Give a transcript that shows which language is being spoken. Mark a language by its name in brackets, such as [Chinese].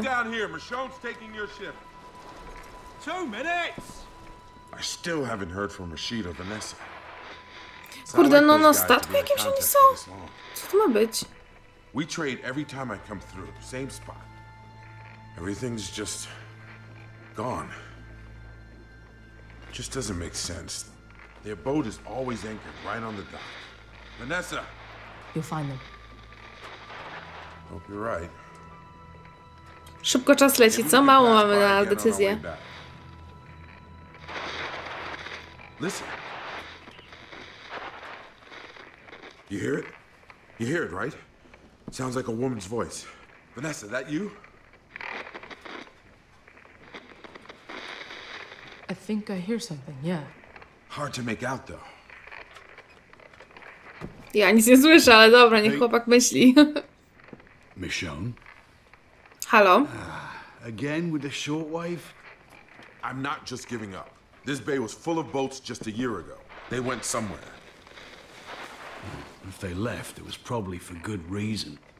[English] Get down here, Michonne's taking your shift. 2 minutes! I still haven't heard from Rashid or Vanessa. [Polish] Kurde, no na statku jakimś oni są? Co to ma być? [English] We trade every time I come through, same spot. Everything's just gone. Just doesn't make sense. Their boat is always anchored right on the dock. Vanessa! You'll find them. Hope you're right. [Polish] Szybko czas leci, co? Mało mamy na decyzję. [English] Listen. You hear it? You hear it, right? It sounds like a woman's voice. Vanessa, that you? I think I hear something, yeah. Hard to make out, though. [Polish] Ja nic nie słyszę, ale dobra, niech chłopak myśli. [English] Michonne? [Polish] Halo? [English] Again with the shortwave? I'm not just giving up. This bay was full of boats just a year ago. They went somewhere. If they left, it was probably for good reason.